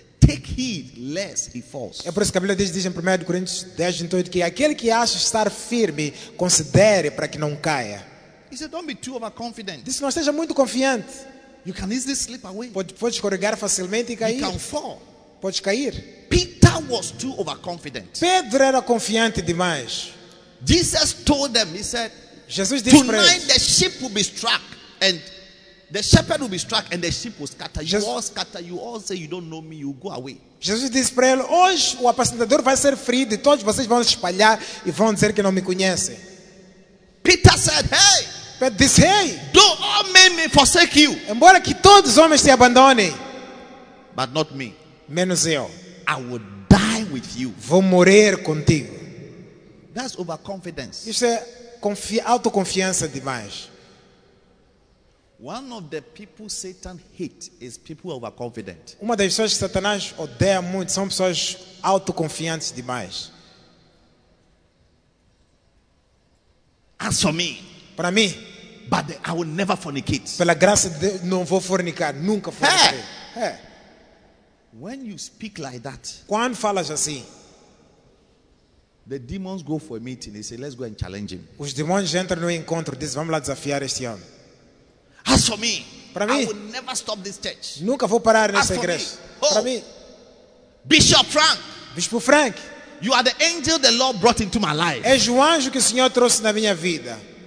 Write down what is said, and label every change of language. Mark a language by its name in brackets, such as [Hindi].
[English] Take heed lest he falls. [Portuguese] É por isso que a Bíblia diz em 1 Coríntios 10, 28, que aquele que acha estar firme, considere para que não caia. [English] He said, don't be too overconfident. [Portuguese] Diz, não esteja muito confiante. [English] You can easily slip away. [Portuguese] Pode escorregar facilmente e cair. [English] You can fall. [Portuguese] Pode cair. [English] Peter was too overconfident. [Portuguese] Pedro era confiante demais. [English] Jesus told them, he said, [Portuguese] Jesus disse para eles, [English] tonight the ship will be struck and the shepherd will be struck and the sheep will scatter. You all scatter. You all say you don't know me. You go away. [Portuguese] Jesus disse para ele, hoje o apacentador vai ser ferido e todos vocês vão espalhar e vão dizer que não me conhecem. [English] Peter said, hey. [Portuguese] Pedro disse, hey. [English] Do all men forsake you? [Portuguese] Embora que todos os homens te abandonem. [English] But not me. [Portuguese] Menos eu. [English] I will die with you. [Portuguese] Vou morrer contigo. [English] That's overconfidence. [Portuguese] Isso é autoconfiança demais. [English] One of the people Satan hates is people overconfident. [Portuguese] Uma das pessoas que Satanás odeia muito são pessoas autoconfiantes demais. [English] As for me, [Portuguese] para mim, [English] but I will never fornicate. [Portuguese] Pela graça de Deus, não vou fornicar, nunca fornicarei. [English] Hey. When you speak like that, [Portuguese] quando falas assim, [English] the demons go for a meeting. They say, let's go and challenge him. [Portuguese] Os demônios entram no encontro, dizem, vamos lá desafiar este homem. [English] As for me, [Portuguese] para mim, [English] I will never stop this church. [Portuguese] Nunca vou parar nessa igreja. Oh, para mim, [English] Bishop Frank, [Portuguese] Bispo Frank, [English] you are the angel the Lord brought into my life. [Portuguese] És o anjo que o Senhor trouxe na minha vida.